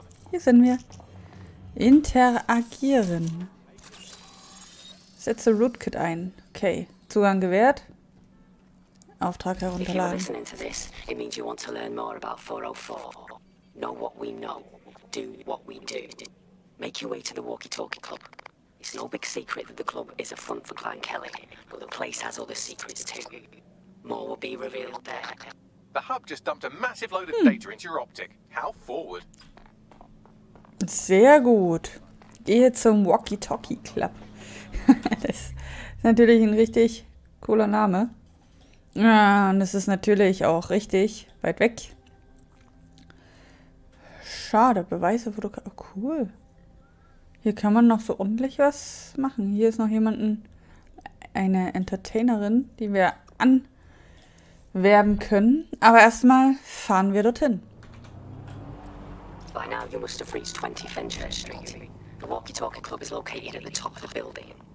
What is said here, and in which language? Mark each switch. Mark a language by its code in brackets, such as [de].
[de] Hier sind wir. Interagieren. Setze Rootkit ein. Okay, Zugang gewährt. Auftrag herunterladen. Wenn du das hörst, bedeutet das, dass du mehr über 404 lernen willst. [en] Know what we know. Do what we do. Make your way to the walkie-talkie club. It's no big secret that the club is a front for Clan Kelly, but the place has other secrets too. More will be revealed there. The hub just dumped a massive load of data into your optic. How forward. [de] Sehr gut. Gehe zum Walkie-Talkie Club. Das ist natürlich ein richtig cooler Name. Ja, und es ist natürlich auch richtig weit weg. Schade, Beweise, Fotografie. Oh, cool. Hier kann man noch so ordentlich was machen. Hier ist noch jemanden, eine Entertainerin, die wir anwerben können. Aber erstmal fahren wir dorthin. [en] By now you must have reached 20 Fenchurch Street. The walkie-talkie club is located at the top of the building.